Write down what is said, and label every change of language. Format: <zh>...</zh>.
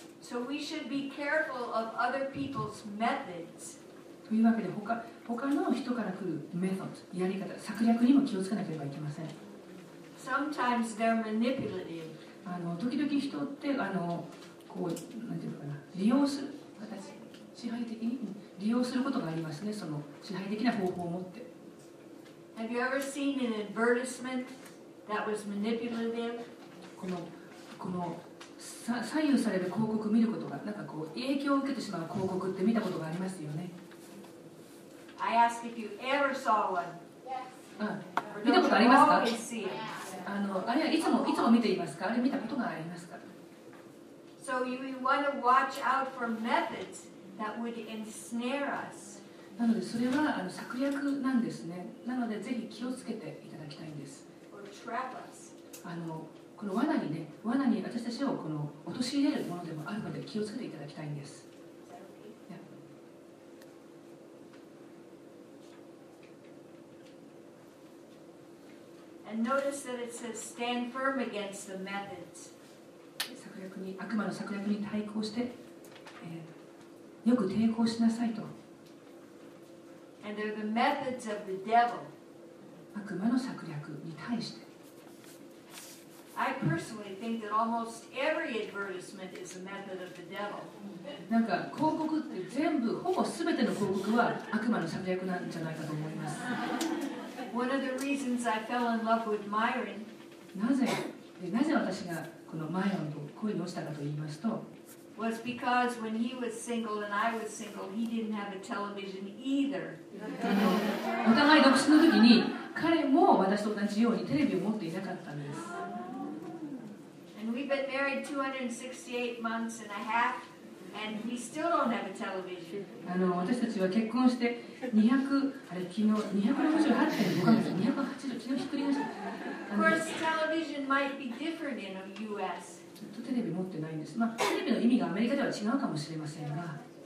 <ja>というわけで他の人から来るメソッド、やり方、策略にも気をつけなければいけません。</ja> <en>Sometimes they're manipulative.</en> <ja>時々人ってこうなんていうのかな、利用する形、支配的に利用することがありますね。その支配的な方法を持って。</ja> <en>Have you ever seen an advertisement that was manipulative?</en> <ja>この左右される広告を見ることが、なんかこう影響を受けてしまう広告って見たことがありますよね。</ja> <en>I ask if you ever saw one.</en> <ja>Yes. 見たことありますか？あの、あれはいつも見ていますか？あれ見たことがありますか？</ja> <en>So you want to watch out for methods that would ensnare us.</en> <ja>なのでそれはあの策略なんですね。なのでぜひ気をつけていただきたいんです。</ja> <en>Or trap us.</en> <ja>あの、この罠にね、罠に私たちをこの落とし入れるものでもあるので気をつけていただきたいんです。</ja> <en>And notice that it says stand firm against the methods.</en> <ja>策略に、悪魔の策略に対抗して、よく抵抗しなさいと。</ja> <en>And they're the methods of the devil.</en> <ja>悪魔の策略に対して。</ja> <en>I personally think that almost every advertisement is a method of the devil.</en> <ja>なんか広告って全部、ほぼ全ての広告は悪魔の策略なんじゃないかと思います。</ja> <en>One of the reasons I fell in love with Myron.</en> <ja>なぜ私がこのマイロンと恋に落ちたかと言いますと、</ja> <en>was because when he was single and I was single, he didn't have a television either.</en> <ja>お互い独身の時に彼も私と同じようにテレビを持っていなかったんです。</ja> <en>And we've been married 268 months and a half, and we still don't have a television.</en> <ja>あの私たちは結婚して</ja> <en>Of course, television might be different in the U.S.</en> <ja>ずっとテレビ持ってないんです。まあ、テレビの意味がアメリカでは違うかもしれませんが。</ja>